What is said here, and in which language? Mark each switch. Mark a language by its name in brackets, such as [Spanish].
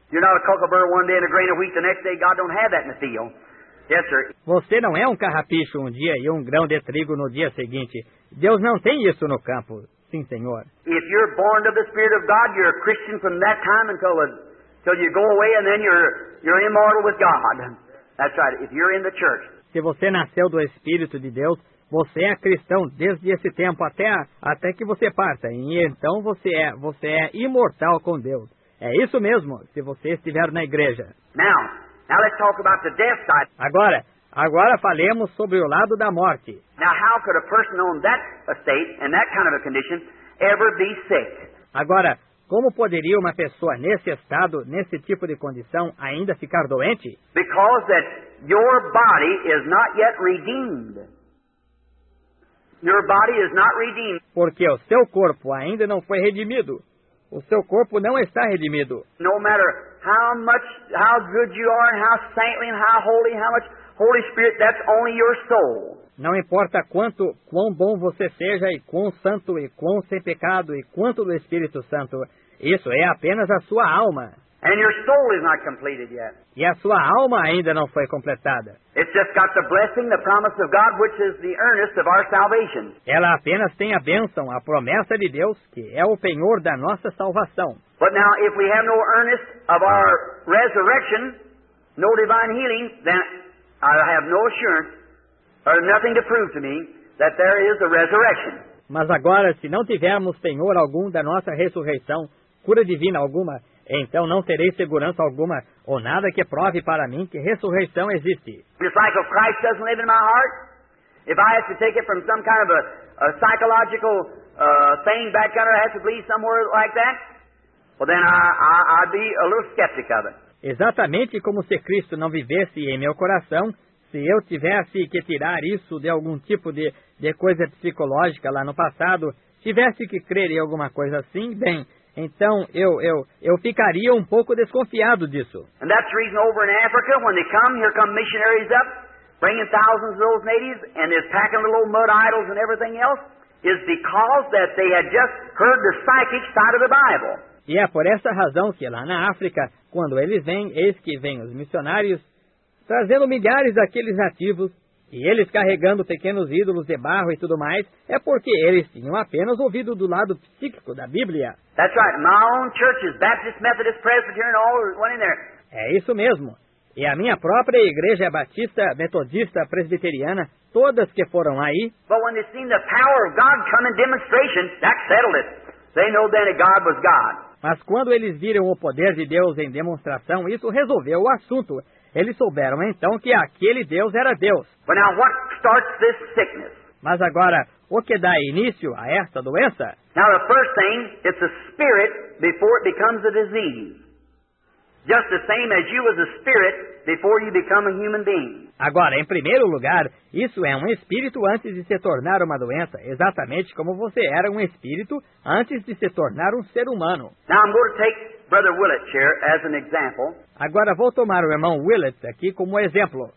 [English] You're not a cucklebird one day and a grain of wheat the next day. God don't have that in the field. Yes, sir. [Portuguese] Você não é um carrapicho um dia e um grão de trigo no dia seguinte. Deus não tem isso no campo. Sim, senhor. [English] If you're born of the Spirit of God, you're a Christian from that time until you go away and then you're immortal with God. That's right. If you're in the church. [Portuguese] Se você nasceu do Espírito de Deus, você é cristão desde esse tempo até que você parta. E então você é imortal com Deus. É isso mesmo, se você estiver na igreja. [English] Now let's talk about the death side. [Portuguese] Agora falemos sobre o lado da morte. [English] Now how could a person on that estate and that kind of a condition ever be sick? [Portuguese] Agora, como poderia uma pessoa nesse estado, nesse tipo de condição, ainda ficar doente? [English] Because that your body is not yet redeemed. Your body is not redeemed. [Portuguese] Porque o seu corpo ainda não foi redimido. O seu corpo não está redimido. [English] No matter how much, how good you are, and how saintly, and how holy, how much Holy Spirit, that's only your soul. [Portuguese] Não importa quão bom você seja, e quão santo, e quão sem pecado, e quanto do Espírito Santo, isso é apenas a sua alma. [English] And your soul is not completed yet. [Portuguese] E a sua alma ainda não foi completada. [English] It's just got the blessing, the promise of God, which is the earnest of our salvation. [Portuguese] Ela apenas tem a bênção, a promessa de Deus, que é o penhor da nossa salvação. [English] But now, if we have no earnest of our resurrection, no divine healing, then I have no assurance or nothing to prove to me that there is a resurrection. [Portuguese] Mas agora, se não tivermos penhor algum da nossa ressurreição, cura divina alguma, então não terei segurança alguma ou nada que prove para mim que ressurreição existe. [English] Just like if Christ doesn't live in my heart, if I have to take it from some kind of a psychological thing back under, I have to believe somewhere like that, well then I'd be a little skeptic of it. [Portuguese] Exatamente como se Cristo não vivesse em meu coração, se eu tivesse que tirar isso de algum tipo de coisa psicológica lá no passado, tivesse que crer em alguma coisa assim, bem, então eu ficaria um pouco desconfiado disso. [English] And that's the reason over in Africa, when they come, here come missionaries up, bringing thousands of those natives, and they're packing little mud idols and everything else, is because that they had just heard the psychic side of the Bible. [Portuguese] E é por essa razão que lá na África, quando eles vêm, eis que vêm os missionários, trazendo milhares daqueles nativos, E eles carregando pequenos ídolos de barro e tudo mais, é porque eles tinham apenas ouvido do lado psíquico da Bíblia. [English] That's right. My own churches, Baptist, Methodist, Presbyterian, all went in there. [Portuguese] É isso mesmo. E a minha própria igreja batista, metodista, presbiteriana, todas que foram aí. [English] But when they seen the power of God come in demonstration, that settled it. They know then that God was God. [Portuguese] Mas quando eles viram o poder de Deus em demonstração, isso resolveu o assunto. Eles souberam então que aquele Deus era Deus. [English] But now what starts this sickness? [Portuguese] Mas agora, o que dá início a esta doença? [English] Now the first thing, it's a spirit before it becomes a disease. Just the same as you as a spirit before you become a human being. [Portuguese] Agora, em primeiro lugar, isso é um espírito antes de se tornar uma doença, exatamente como você era um espírito antes de se tornar um ser humano. [English] Now I'm going to take Brother Willett here as an example. [Portuguese] Agora vou tomar o irmão Willett aqui como exemplo.